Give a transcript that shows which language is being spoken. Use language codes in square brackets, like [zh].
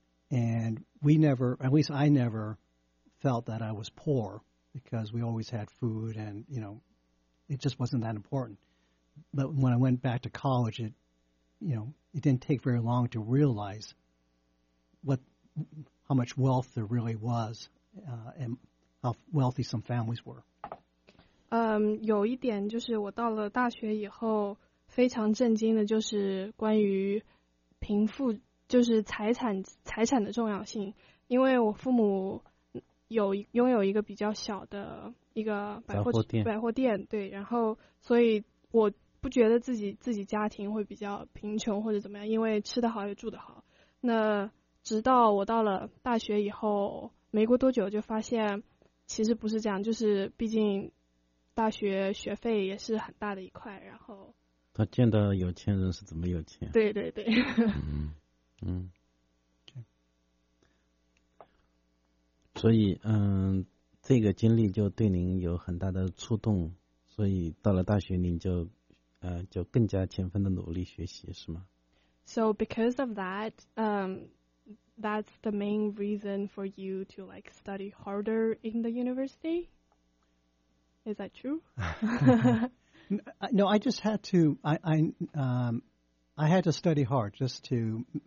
[en] And we never, at least I never, felt that I was poor because we always had food and, it just wasn't that important. But when I went back to college, it didn't take very long to realize how much wealth there really was and how wealthy some families were. [zh] 有一点就是我到了大学以后非常震惊的就是关于贫富就是财产的重要性，因为我父母拥有一个比较小的一个百货店，对，然后所以我不觉得自己家庭会比较贫穷或者怎么样，因为吃得好也住得好。那直到我到了大学以后没过多久就发现其实不是这样，就是毕竟大学学费也是很大的一块，然后他见到有钱人是怎么有钱？对对对。所以这个经历就对您有很大的触动，所以到了大学您就更加勤奋的努力学习，是吗？ [en] So because of that, that's the main reason for you to like study harder in the university? Is that true? No, I just had to. I had to study hard just to